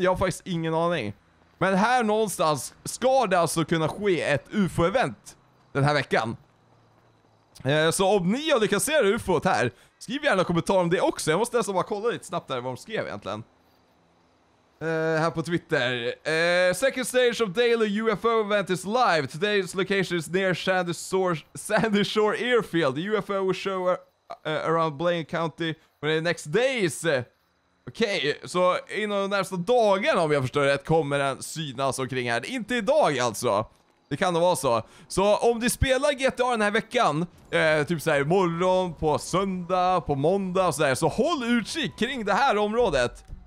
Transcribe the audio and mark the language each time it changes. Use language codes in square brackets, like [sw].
[sv] Jag har faktiskt ingen aning. Men här någonstans ska det alltså kunna ske ett UFO-event den här veckan. Så om ni har lyckats se UFO:t här, skriv gärna en kommentar om det också. Jag måste nästan bara kolla lite snabbt där vad de skrev egentligen. Här på Twitter. [en] Second stage of daily UFO event is live. Today's location is near Sandy Shore Airfield. The UFO will show around Blaine County for the next days. [sv] Okej, så inom de närmaste dagarna om jag förstår rätt kommer den synas omkring här. Inte idag alltså. Det kan det vara så. Så om du spelar GTA den här veckan. Typ så här imorgon, på söndag, på måndag och sådär. Så håll utkik kring det här området.